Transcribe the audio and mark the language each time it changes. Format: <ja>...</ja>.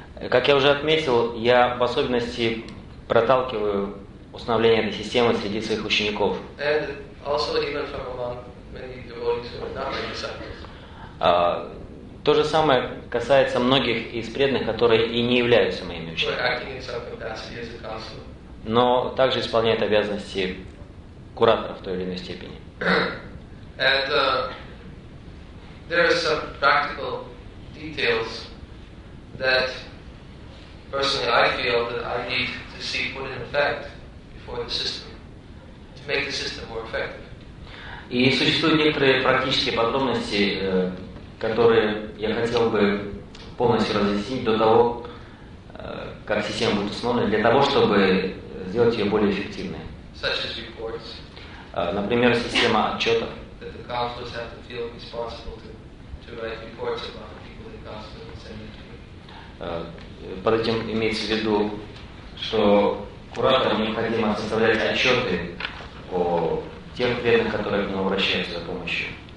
<ru>как я уже отметил, я в особенности проталкиваю установление этой системы среди своих учеников.</ru> <en>Also, even from among many devotees who are not my disciples.</en> <ru>То же самое касается многих из преданных, которые и не являются моими учениками.</ru> <en>Who are acting in some capacity as a counselor.</en> <ru>Но также исполняют обязанности куратора в той или иной степени.</ru> <en>And there are some practical details that personally I feel that I need to see put in effect before the system to make the system more effective.</en> <ru>И существуют некоторые практические подробности, которые я хотел бы полностью разъяснить до того, как система будет установлена, для того, чтобы сделать ее более эффективной.</ru> <en>Such as reports,</en> <ru>например, система отчетов.</ru> <en>That the counselors have to feel responsible to write reports about the people they counsel and send it to.</en> <ru>Под этим имеется в виду, что куратору необходимо составлять отчеты о тех преданных, которые к нему обращаются за помощью.</ru>